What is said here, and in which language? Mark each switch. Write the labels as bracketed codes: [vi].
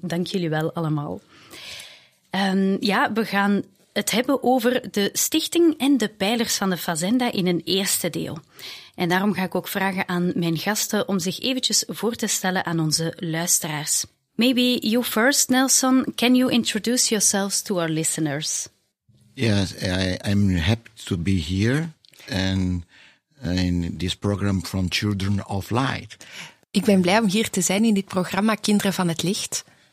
[nl] Dank jullie wel allemaal. We gaan het hebben over de stichting en de pijlers van de Fazenda in een eerste deel. En daarom ga ik ook vragen aan mijn gasten om zich eventjes voor te stellen aan onze luisteraars. [en] Maybe you first, Nelson. Can you introduce yourselves to our listeners? Yes, I'm happy to be here and in this program from Children of Light. [nl] Ik ben blij om hier te zijn in dit programma Kinderen van het Licht.